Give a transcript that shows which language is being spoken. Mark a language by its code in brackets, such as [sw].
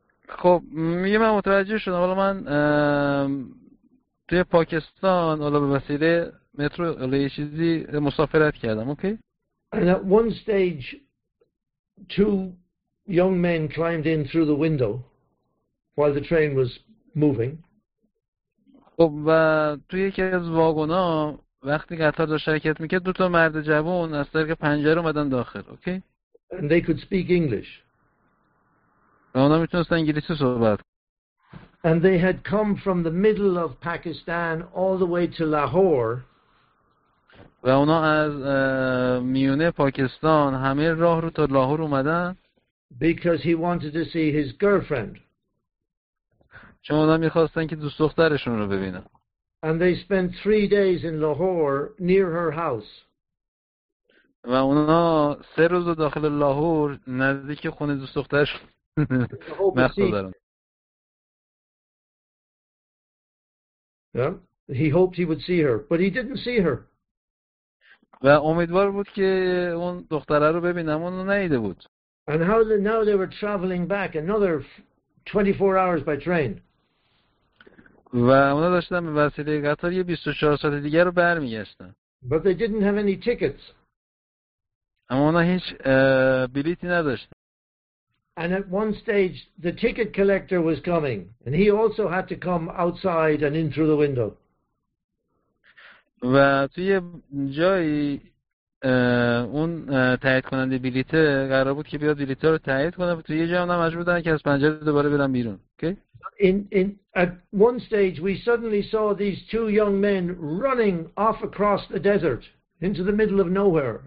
[fa] خب یه من متوجه شدم حالا من توی پاکستان حالا به وسیله مترو یه چیزی مسافرت کردم اوکی [en] and at one stage two young men climbed in through the window while the train was moving [fa] خب و توی یکی از واگونا وقتی قطار داشت حرکت میکرد دو تا مرد جوان از طریق پنجره اومدن داخل اوکی [en] and they could speak English [fa] اونا میتونستن انگلیسی صحبت [en] And they had come from the middle of Pakistan all the way to Lahore. [fa] و اونا از میونه پاکستان همه راه رو تا لاهور اومدن. [en] Because he wanted to see his girlfriend. [fa] چون اونا میخواستن که دوست دخترشون رو ببینن. [en] And they spent 3 days in Lahore near her house. [fa] و اونا 3 روز داخل لاهور نزدیک خونه دوست دخترش مخصوصاً [en] Yeah, he hoped he would see her, but he didn't see her. [fa] و امیدوار بود که اون دختره رو ببینم، اون نیده بود. [en] And how they, now they were traveling back another 24 hours by train. [fa] و اونا داشتن به وسیله قطار یه 24 ساعت دیگه رو برمیگشتن. [en] But they didn't have any tickets. [fa] اما اونا هیچ بلیتی نداشتن. [en] And at one stage, the ticket collector was coming, and he also had to come outside and in through the window. [fa] و توی یه جایی اون تایید کننده بلیط قرار بود که بیاد بلیط رو تایید کنه و توی یه جایی هم مجبور بودن که از پنجره دوباره برن بیرون. [en] Okay? In at one stage, we suddenly saw these two young men running off across the desert into the middle of nowhere.